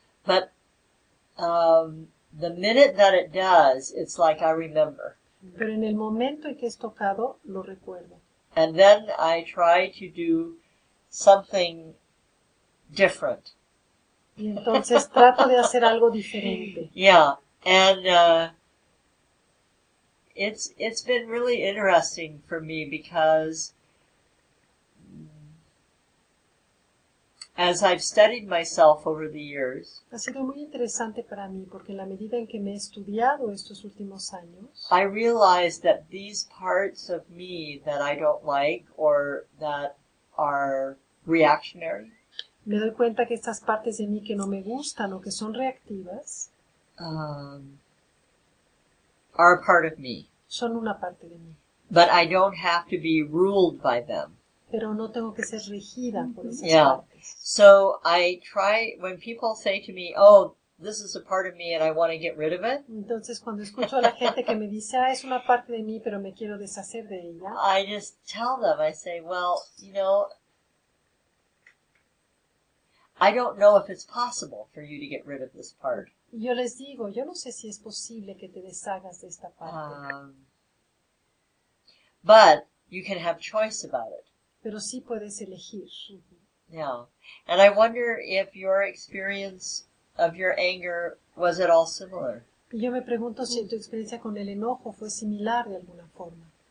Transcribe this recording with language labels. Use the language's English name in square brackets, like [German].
[English] But the minute that it does, it's like I remember. [Spanish] Pero en el momento en que es tocado, lo recuerdo. [English] And then I try to do something different. [Spanish] Y entonces trato de hacer algo diferente. [English] Yeah, and it's been really interesting for me because as I've studied myself over the years, [Spanish] ha sido muy interesante para mí porque en la medida en que me he estudiado estos últimos años, [English] I realize that these parts of me that I don't like or that are reactionary, [Spanish] me doy cuenta que estas partes de mí que no me gustan o que son reactivas, [English] are part of me. [Spanish] Son una parte de mí. [English] But I don't have to be ruled by them. [Spanish] Pero no tengo que ser regida por esas [English] yeah. [Spanish] partes. [English] So I try, when people say to me, oh, this is a part of me and I want to get rid of it. [Spanish] Entonces cuando escucho a la gente que me dice, ah, es una parte de mí, pero me quiero deshacer de ella. [English] I just tell them, I say, well, you know, I don't know if it's possible for you to get rid of this part. [Spanish] Yo les digo, yo no sé si es posible que te deshagas de esta parte. [English] But you can have choice about it. [Spanish] Pero sí puedes elegir. [English] Yeah. And I wonder if your experience of your anger, was it all similar? [Spanish] Yo me pregunto si tu experiencia con el enojo fue similar de alguna forma.